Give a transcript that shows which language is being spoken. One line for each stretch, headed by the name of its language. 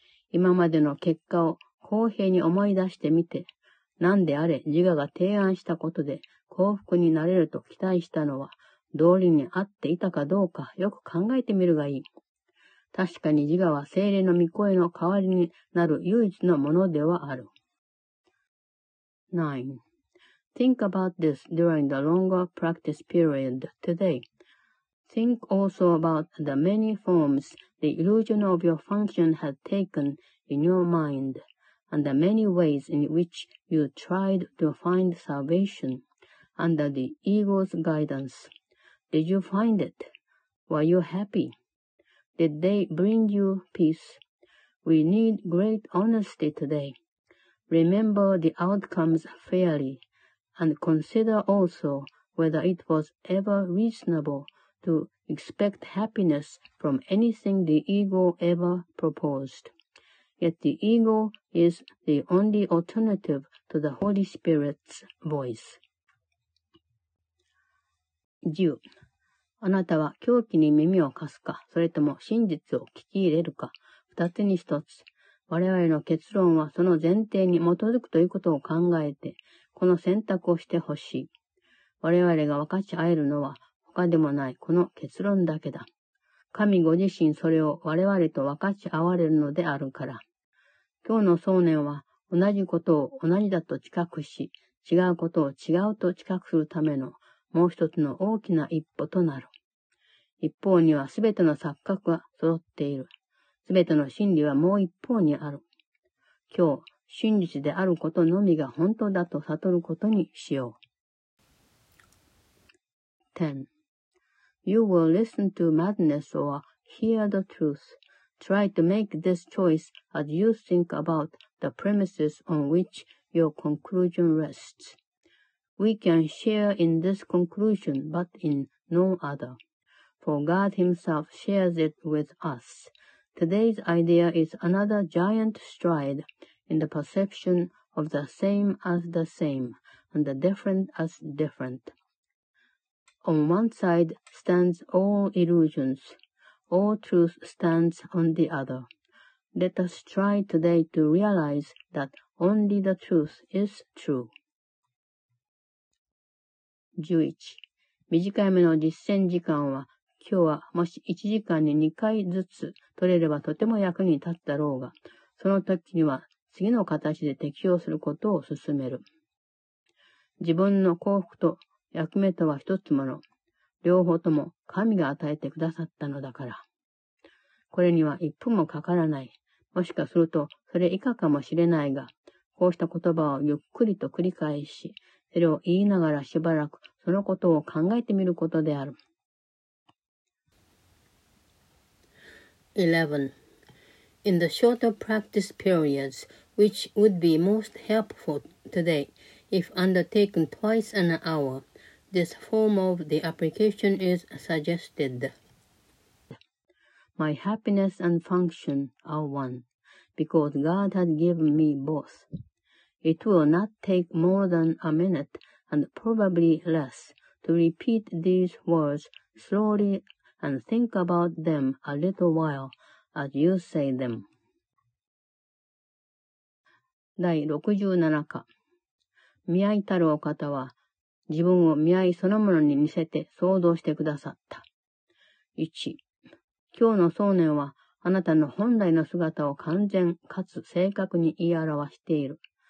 Japanese: 今までの結果を公平に思い出してみて、何であれ自我が提案したことで幸福になれると期待したのは道理に合っていたかどうかよく考えてみるがいい。確かに自我は精霊の御声の代わりになる唯一のものではある。
English: 9. Think about this during the longer practice period today. Think also about the many forms the illusion of your function had taken in your mind, and the many ways in which you tried to find salvation under the ego's guidance. Did you find it? Were you happy? Did they bring you peace? We need great honesty today. Remember the outcomes fairly, and consider also whether it was ever reasonable. To expect happiness from anything the ego ever proposed. Yet the ego is the only alternative to the Holy Spirit's voice.
Japanese: 10. あなたは狂気に耳を貸すか、それとも真実を聞き入れるか、二つに一つ。我々の結論はその前提に基づくということを考えて、この選択をしてほしい。我々が分かち合えるのは、他でもないこの結論だけだ。神ご自身それを我々と分かち合われるのであるから。今日の想念は同じことを同じだと知覚し、違うことを違うと知覚するためのもう一つの大きな一歩となる。一方にはすべての錯覚は揃っている。すべての真理はもう一方にある。今日、真実であることのみが本当だと悟ることにしよう。
English: 10. You will listen to madness or hear the truth. Try to make this choice as you think about the premises on which your conclusion rests. We can share in this conclusion, but in no other. For God Himself shares it with us. Today's idea is another giant stride in the perception of the same as the same and the different as different. On one side stands all illusions. All truth stands on the other. Let us try today to realize that only the truth is true.
Japanese: 11. 短い目の実践時間は、今日はもし1時間に2回ずつ取れればとても役に立つだろうが、その時には次の形で適用することを進める。自分の幸福と役目とは一つもの、両方とも神が与えてくださったのだから。これには一分もかからない、もしかするとそれ以下かもしれないが、こうした言葉をゆっくりと繰り返し、それを言いながらしばらくそのことを考えてみることである。
English: 11. In the shorter practice periods, which would be most helpful today, if undertaken twice an hour,This form of the application is suggested. My happiness and function are one, because God had given me both. It will not take more than a minute, and probably less, to repeat these words slowly and think about them a little while as you say them.
Japanese: 第67課。見合いたるお方は、自分を見合いそのものに似せて想像してくださった。 1。今日の想念は、あなたの本来の姿を完全かつ正確に言い表している。